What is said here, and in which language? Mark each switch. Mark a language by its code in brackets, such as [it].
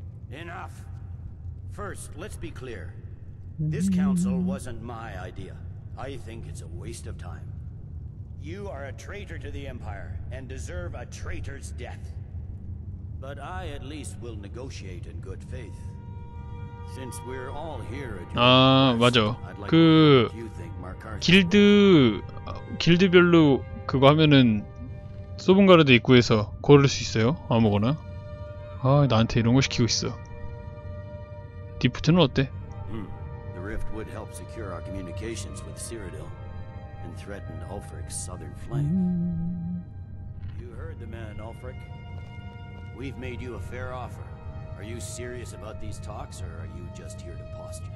[en] Enough. First, let's be clear. This council wasn't my idea. I think it's a waste of time. You are a traitor to the Empire and deserve a traitor's death. But I at least will negotiate in good faith. Since we're all here at your place, I'd like to thank you. [ko] 길드 길드별로 그거 하면은 소분가르드 입구에서 고를 수 있어요. 아무거나. 아, 나한테 이런 거 시키고 있어. 디프트는 어때? [en] The rift would help secure our communications with Cyrodiil and threaten Ulfric's southern flank. You heard the man, Ulfric. We've made you a fair offer. Are you serious about these talks or are you just here to posture?